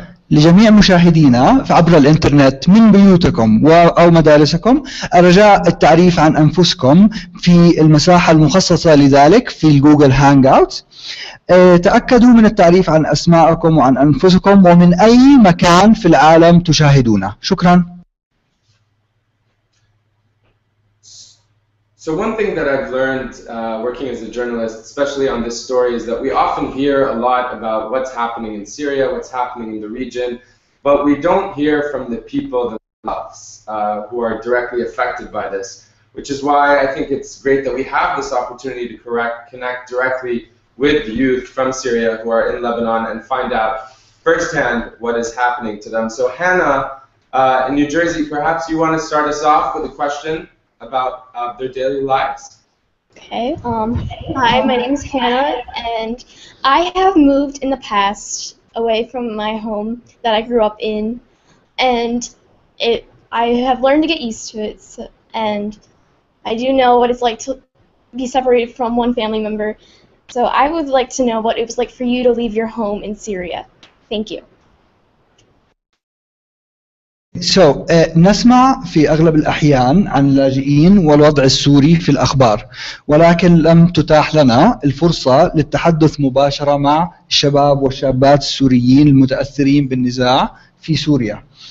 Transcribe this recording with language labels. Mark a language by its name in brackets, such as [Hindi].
[Arabic] لجميع مشاهدينا عبر الانترنت من بيوتكم أو مدارسكم, أرجاء التعريف عن أنفسكم في المساحة المخصصة لذلك في الجوجل هانجاوت. تأكدوا من التعريف عن أسماءكم وعن أنفسكم ومن أي مكان في العالم تشاهدونا. شكرا. [English] So one thing that I've learned working as a journalist, especially on this story, is that we often hear a lot about what's happening in Syria, what's happening in the region, but we don't hear from the people themselves who are directly affected by this, which is why I think it's great that we have this opportunity to connect directly with youth from Syria who are in Lebanon and find out firsthand what is happening to them. So Hannah, in New Jersey, perhaps you want to start us off with a question about their daily lives. Okay. Hi, my name is Hannah, and I have moved in the past away from my home that I grew up in, and I have learned to get used to it, and I do know what it's like to be separated from one family member. So I would like to know what it was like for you to leave your home in Syria. Thank you. [Arabic] So, نسمع في أغلب الأحيان عن اللاجئين والوضع السوري في الأخبار ولكن لم تتاح لنا الفرصة للتحدث مباشرة مع الشباب والشابات السوريين المتأثرين بالنزاع في سوريا.